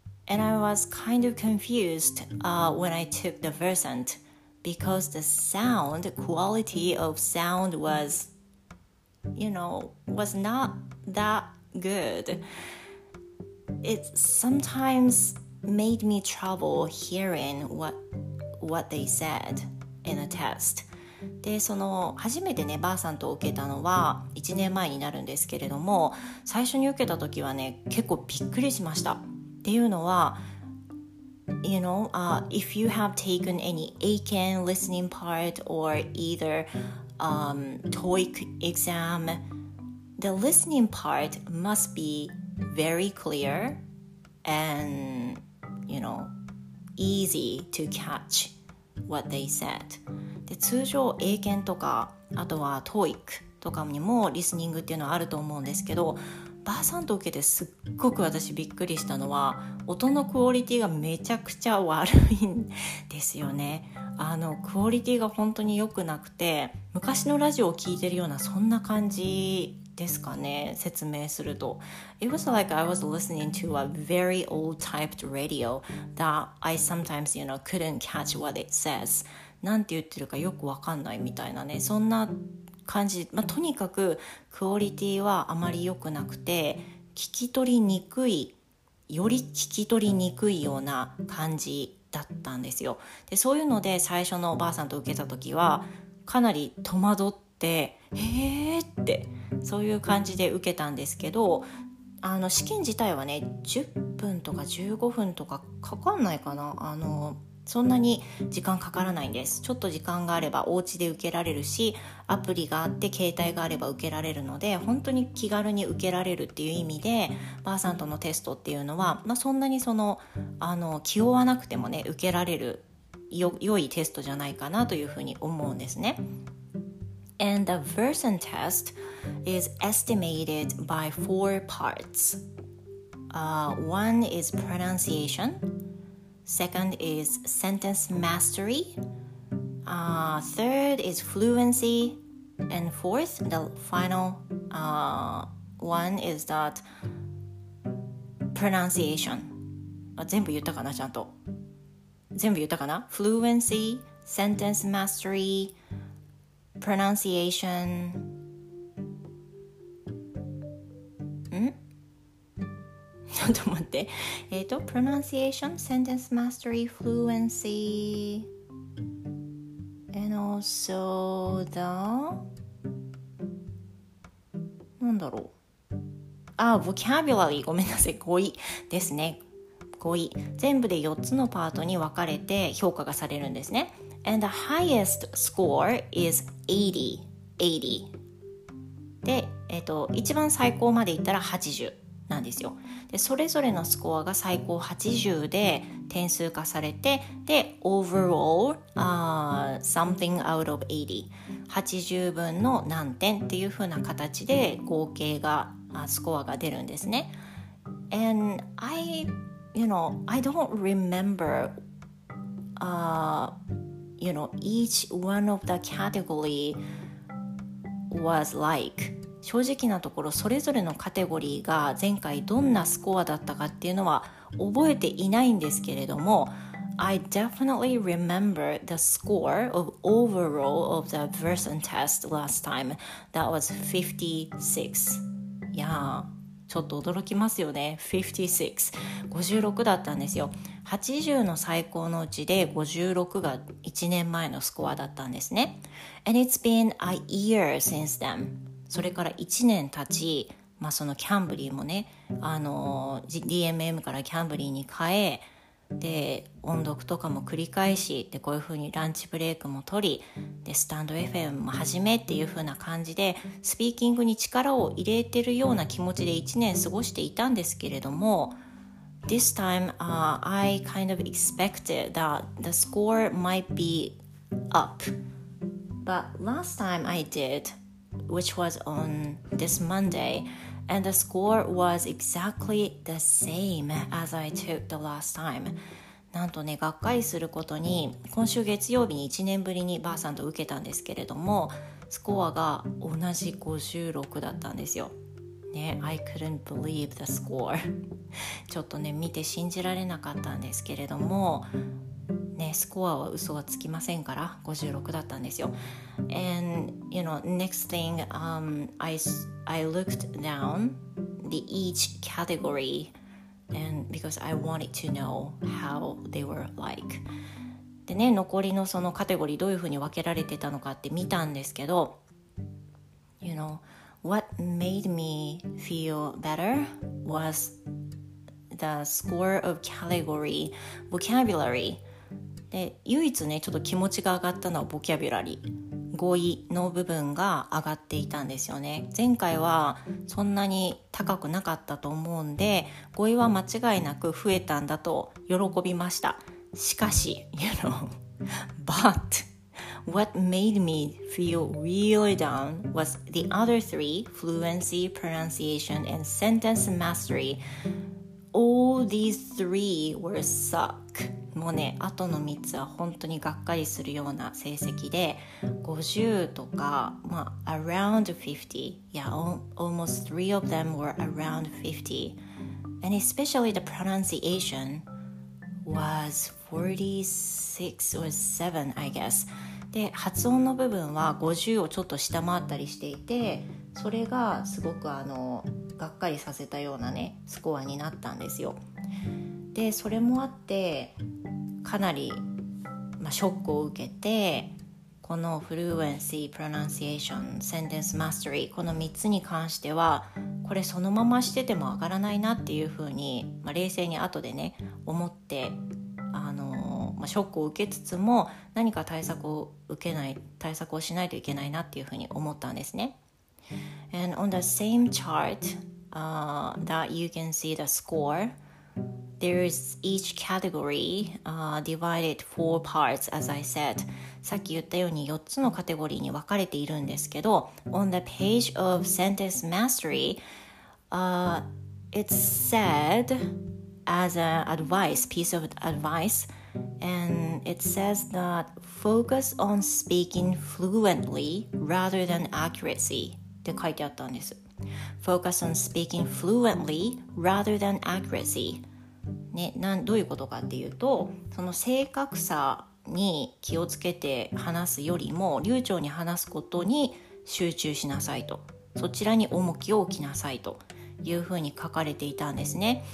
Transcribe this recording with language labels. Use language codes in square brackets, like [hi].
[en] And I was kind of confused when I took the Versant because the quality of sound was, you know, was not thatgood. It sometimes made me trouble hearing what they said in a test. [ja] で、その初めてね、バーサントを受けたのは1年前になるんですけれども、最初に受けた時はね、結構びっくりしました。っていうのは、 [en] you know, if you have taken any Aiken listening part or either TOEIC exam,The listening part must be very clear and, you know, easy to catch what they said. [ja] で、通常英検とか、あとは TOEIC とかにもリスニングっていうのはあると思うんですけど、バーサント受けてすっごく私びっくりしたのは、音のクオリティがめちゃくちゃ悪いんですよね。クオリティが本当に良くなくて、昔のラジオを聞いてるようなそんな感じですかね、説明すると。 [en] It was like I was listening to a very old typed radio that I sometimes, you know, couldn't catch what it says. [ja] なんて言ってるかよくわかんないみたいなね、そんな感じ。まあ、とにかくクオリティはあまり良くなくて、聞き取りにくい、より聞き取りにくいような感じだったんですよ。で、そういうので最初のおばあさんと受けた時はかなり戸惑って、へーって、そういう感じで受けたんですけど、試験自体はね、10分とか15分とかかかんないかな、そんなに時間かからないんです。ちょっと時間があればお家で受けられるし、アプリがあって携帯があれば受けられるので、本当に気軽に受けられるっていう意味で、バーサントのテストっていうのは、まあ、そんなにその気負わなくてもね、受けられる良いテストじゃないかなというふうに思うんですね。 [en] And the version test is estimated by four parts. One is pronunciation. Second is sentence mastery. Third is fluency. And fourth, the final one is that pronunciation. [ja] 全部言ったかな、ちゃんと。全部言ったかな? [en] Fluency, sentence mastery, pronunciation. ん? [ja] ちょっと待って。 [en] pronunciation, sentence mastery, fluency, and also the... [ja] なんだろう。あ、vocabulary、ごめんなさい、語彙ですね。語彙。全部で4つのパートに分かれて評価がされるんですね。 [en] And the highest score is 80. [ja] で、一番最高までいったら80なんですよ。で、それぞれのスコアが最高80で点数化されて、で、overall, [en] something out of 80. [ja] 80分の何点っていう風な形で合計が、スコアが出るんですね。 [en] And I... You know, I don't remember, you know, each one of the category was like. [ja] 正直なところ、それぞれのカテゴリーが前回どんなスコアだったかっていうのは覚えていないんですけれども、 [en] I definitely remember the score of overall of the version test last time. That was 56. Yeah. [ja] ちょっと驚きますよね。56 だったんですよ。 80の最高のうちで56が1年前のスコアだったんですね。 And it's been a year since then. それから1年経ち、まあ、そのキャンブリーもね、DMM からキャンブリーに変え、で音読とかも繰り返し、でこういう風にランチブレイクも取り、でスタンド FM も始めっていう風な感じでスピーキングに力を入れてるような気持ちで1年過ごしていたんですけれども、 [en] This time、I kind of expected that the score might be up, but last time I did, which was on this MondayAnd the score was exactly the same as I took the last time. [ja] なんとね、がっかりすることに、今週月曜日に1年ぶりにばあさんと受けたんですけれども、スコアが同じ56だったんですよ。 [en] ね、I couldn't believe the score. [ja] ちょっとね、見て信じられなかったんですけれども、ね、スコアは嘘はつきませんから、56だったんですよ。 [en] And, you know, next thing, I looked down the each category and because I wanted to know how they were like. [ja] でね、残りのそのカテゴリーどういうふうに分けられてたのかって見たんですけど、 [en] You know, what made me feel better was the score of category vocabulary. [ja] で唯一ねちょっと気持ちが上がったのはボキャビュラリー、語彙の部分が上がっていたんですよね。前回はそんなに高くなかったと思うんで、語彙は間違いなく増えたんだと喜びました。しかし [en] You know But What made me feel really down was the other three, fluency, pronunciation, and sentence masteryAll these three were suck. [ja] もうね、あとの3つは本当にがっかりするような成績で、50とか、まあ、 [en] around 50. Yeah, almost three of them were around 50. And especially the pronunciation was 46 or 7, I guess. [ja] で、発音の部分は50をちょっと下回ったりしていて、それがすごくがっかりさせたようなねスコアになったんですよ。でそれもあってかなり、まあ、ショックを受けて、このフルエンシー、プロナンシエーション、センテンスマスタリー、この3つに関してはこれそのまましてても上がらないなっていう風に、まあ、冷静に後でね思って、まあ、ショックを受けつつも何か対策をしないといけないなっていう風に思ったんですね。 [en] And on the same chart, that you can see the score, There is each category、divided four parts, as I said. [ja] さっき言ったように4つのカテゴリーに分かれているんですけど、 [en] On the page of sentence mastery,、it's said as an advice, piece of advice, and it says that focus on speaking fluently rather than accuracy. [ja] って書いてあったんです。 [en] Focus on speaking fluently rather than accuracy. [ja] ね、どういうことかっていうと、その正確さに気をつけて話すよりも流暢に話すことに集中しなさいと、そちらに重きを置きなさいというふうに書かれていたんですね。